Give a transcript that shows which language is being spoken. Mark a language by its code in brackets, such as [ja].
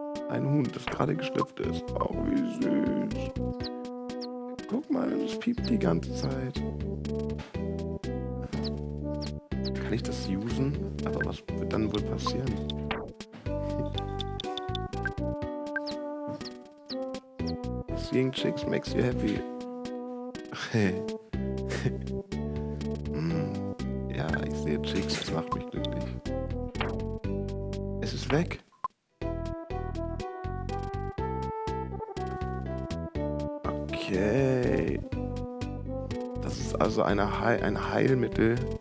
[de] Ein Huhn, das gerade geschlüpft ist. Oh, wie süß. Guck mal, es piept die ganze Zeit. Kann ich das usen? Aber was wird dann wohl passieren? [en] Seeing chicks makes you happy. [de] Ja, ich sehe Chicks, das macht mich glücklich. Es ist weg. Okay. Das ist also ein Heilmittel.